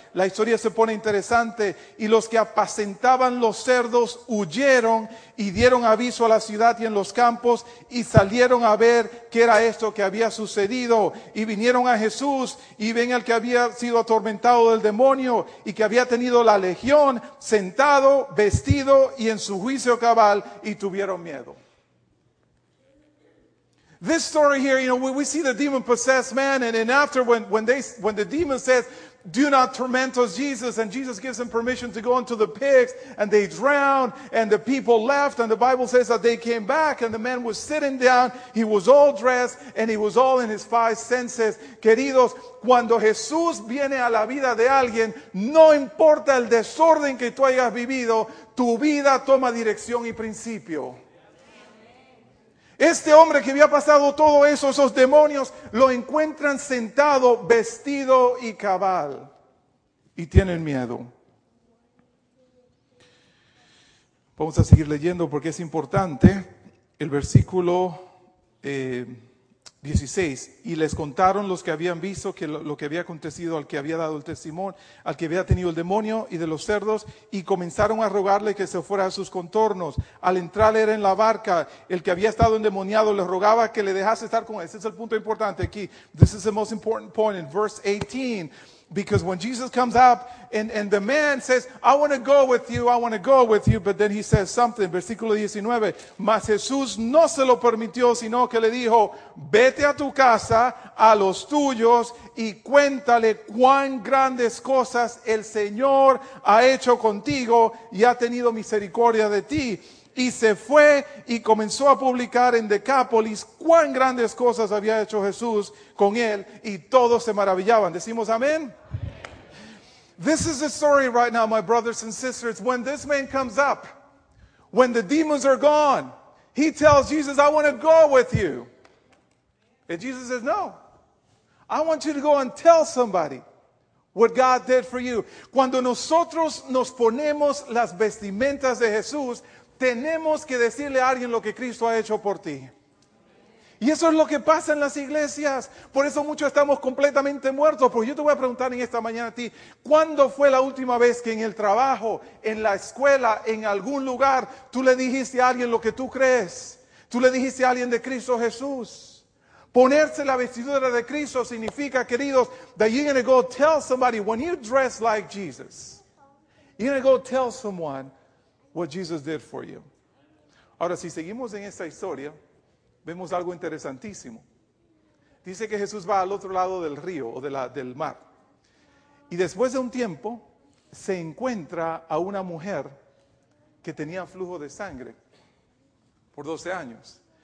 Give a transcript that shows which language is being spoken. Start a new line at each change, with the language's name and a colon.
Spanish: La historia se pone interesante. Y los que apacentaban los cerdos huyeron y dieron aviso a la ciudad y en los campos, y salieron a ver qué era esto que había sucedido. Y vinieron a Jesús, y ven al que había sido atormentado del demonio y que había tenido la legión, sentado, vestido y en su juicio cabal, y tuvieron miedo.
English: This story here, you know, we see the demon-possessed man, and after when the demon says, "Do not torment us, Jesus," and Jesus gives him permission to go into the pigs, and they drowned, and the people left, and the Bible says that they came back, and the man was sitting down, he was all dressed, and he was all in his five senses.
Spanish: Queridos, cuando Jesús viene a la vida de alguien, no importa el desorden que tú hayas vivido, tu vida toma dirección y principio. Este hombre que había pasado todo eso, esos demonios, lo encuentran sentado, vestido y cabal. Y tienen miedo. Vamos a seguir leyendo porque es importante. El versículo 16. Y les contaron los que habían visto que lo que había acontecido al que había dado el testimonio, al que había tenido el demonio y de los cerdos, y comenzaron a rogarle que se fuera a sus contornos. Al entrar era en la barca, el que había estado endemoniado le rogaba que le dejase estar con él. Este es el punto importante aquí.
English: This is the most important point in verse 18. Because when Jesus comes up and the man says, "I want to go with you, I want to go with you," but then he says something,
Spanish: versículo 19, mas Jesús no se lo permitió, sino que le dijo, "Vete a tu casa, a los tuyos, y cuéntale cuán grandes cosas el Señor ha hecho contigo y ha tenido misericordia de ti." Y se fue y comenzó a publicar en Decápolis cuán grandes cosas había hecho Jesús con él, y todos se maravillaban. Decimos amén.
English: This is the story right now, my brothers and sisters. When this man comes up, when the demons are gone, he tells Jesus, "I want to go with you." And Jesus says, "No, I want you to go and tell somebody what God did for you."
Spanish: Cuando nosotros nos ponemos las vestimentas de Jesús, tenemos que decirle a alguien lo que Cristo ha hecho por ti. Y eso es lo que pasa en las iglesias. Por eso muchos estamos completamente muertos. Porque yo te voy a preguntar en esta mañana a ti, ¿cuándo fue la última vez que en el trabajo, en la escuela, en algún lugar, tú le dijiste a alguien lo que tú crees? ¿Tú le dijiste a alguien de Cristo Jesús? Ponerse la vestidura de Cristo significa, queridos,
English: that you're going to go tell somebody, when you dress like Jesus, you're going to go tell someone what Jesus did for you.
Spanish: Ahora, si seguimos en esta historia, vemos algo interesantísimo. Dice que Jesús va al otro lado del río o del mar. Y después de un tiempo, se encuentra a una mujer que tenía flujo de sangre por 12 años.